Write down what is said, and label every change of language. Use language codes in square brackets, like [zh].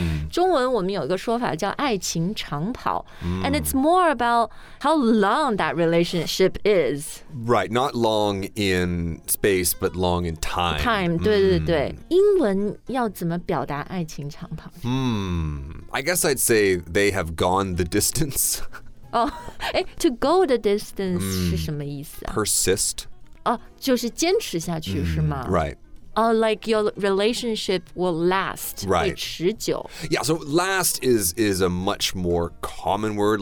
[zh] 中文我们有一个说法叫爱情长跑。 [en] And it's more about how long that relationship is. Right, not long in space, but long in time. Time, [zh] 对对对。英文要怎么表达爱情长跑？ [en] I guess I'd say they have gone the distance. to go the distance [zh] 是什么意思啊？ [en] Persist. [zh] 就是坚持下去是吗？ [en] Right. Like your relationship will last. Right. [zh] 会持久。 [en] Yeah, so last is a much more common word.